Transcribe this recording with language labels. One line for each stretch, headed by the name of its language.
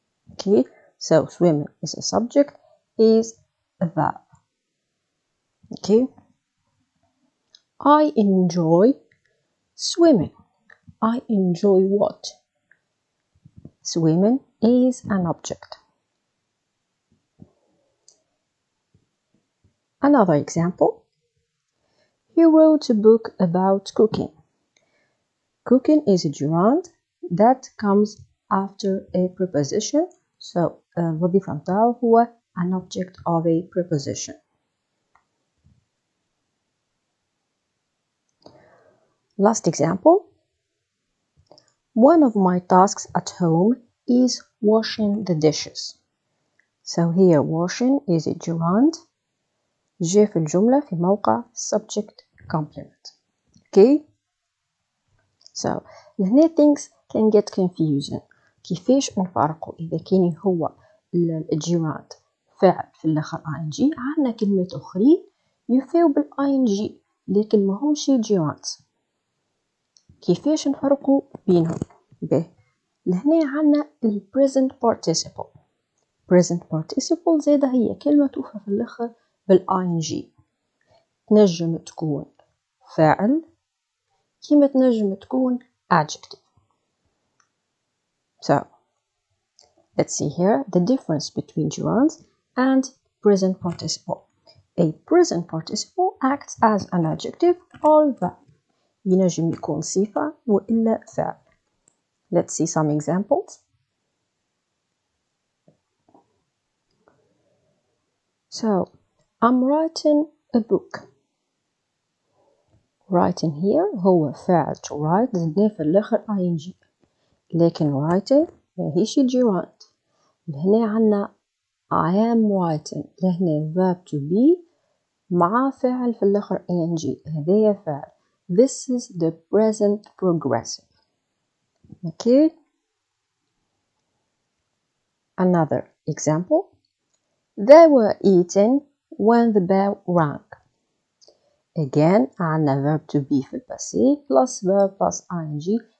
English: Okay, so swimming is a subject, is a verb. Okay, I enjoy swimming. I enjoy what? Swimming is an object. Another example. He wrote a book about cooking. Cooking is a gerund that comes after a preposition.
Arabic: So الوظيفة متاعو هو
English: an object of a preposition. Last example. One of my tasks at home is washing the dishes. So here washing is a gerund.
Arabic: جي في الجملة في موقع subject complement.
English: Okay. So لهنا things can get confusing.
Arabic: كيفاش نفرقوا إذا كان هو الجيراند فعل في الأخر ING، عندنا كلمة أخرى يفاو بالING لكن ما همش جيراند. كيفاش نفرقوا بينهم؟ لهنا عندنا الـ present participle. present participle زادة هي كلمة توفى في الأخر بالing. تنجم تكون فاعل كما تنجم تكون adjective.
English: So let's see here the difference between gerunds and present participle. A present participle acts as an adjective, although
Arabic: ينجم يكون صفة وإلا فعل.
English: Let's see some examples. So, I'm writing a book. Writing here
Arabic: هو فعل to write زدنا في الأخر ing. لكن writing ماهيش gerund. لهنا عنا
English: I am writing.
Arabic: لهنا verb to be مع فعل في الأخر ing. هذا فعل.
English: This is the present progressive. Okay, another example. They were eating when the bell rang. Again, عنا verb to be
Arabic: في الماضي
English: plus verb plus ing.